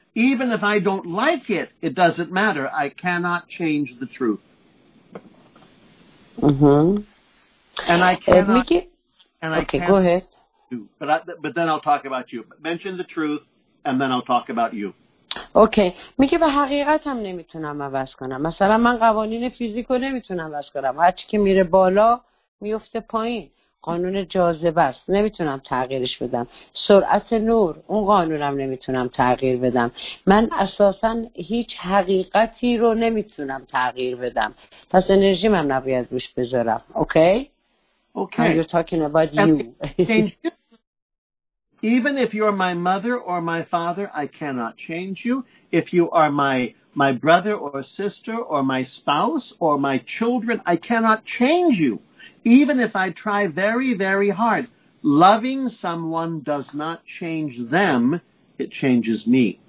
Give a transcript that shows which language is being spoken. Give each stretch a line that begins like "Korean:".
English: Even if I don't like it, it doesn't matter. I cannot change the truth. Mm-hmm. And I cannot... And okay, go ahead. But then I'll talk about you. Mention the truth, and then I'll talk about you.
Persian: اوکی میگه به حقیقت هم نمیتونم عوض کنم، مثلا من قوانین فیزیکو نمیتونم عوض کنم، هرچی که میره بالا میفته پایین، قانون جاذبه است نمیتونم تغییرش بدم، سرعت نور اون قانونم نمیتونم تغییر بدم، من اساسا هیچ حقیقتی رو نمیتونم تغییر بدم، پس انرژیم هم نباید روش بذارم.
English: Okay okay you're talking about you. Even if you are my mother or my father, I cannot change you. If you are my brother or sister or my spouse or my children, I cannot change you. Even if I try very, very hard, loving someone does not change them, it changes me.